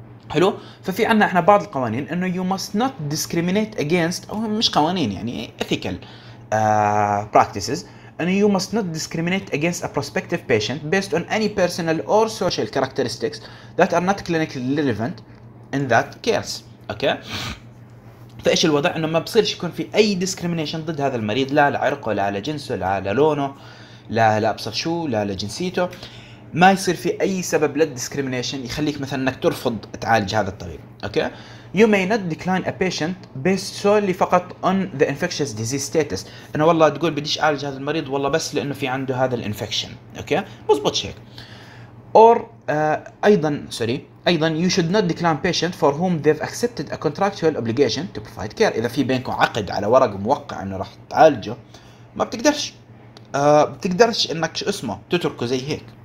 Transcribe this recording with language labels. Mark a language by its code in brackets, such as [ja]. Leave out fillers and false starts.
[ar] حلو، ففي عندنا احنا بعض القوانين انه [en] you must not discriminate against، [ar] او مش قوانين يعني [en] ethical practices، and you must not discriminate against a prospective patient based on any personal or social characteristics that are not clinically relevant in that case. Okay. [ar] فايش الوضع؟ انه ما بصيرش يكون في اي discrimination ضد هذا المريض، لا لعرقه، لا لجنسه، لا للونه، لا ابصر شو، لا لجنسيته. ما يصير في اي سبب للdiscrimination يخليك مثلا انك ترفض تعالج هذا الطبيب. [en] Okay. You may not decline a patient based solely فقط on the infectious disease status. [ar] انه والله تقول بديش اعالج هذا المريض والله بس لانه في عنده هذا الانفكشن، اوكي، مزبوط هيك. Or ايضا سوري ايضا [en] you should not decline patient for whom they've accepted a contractual obligation to provide care. [ar] اذا في بينكم عقد على ورق موقع انه راح تعالجه، ما بتقدرش بتقدرش انك شو اسمه تتركه زي هيك.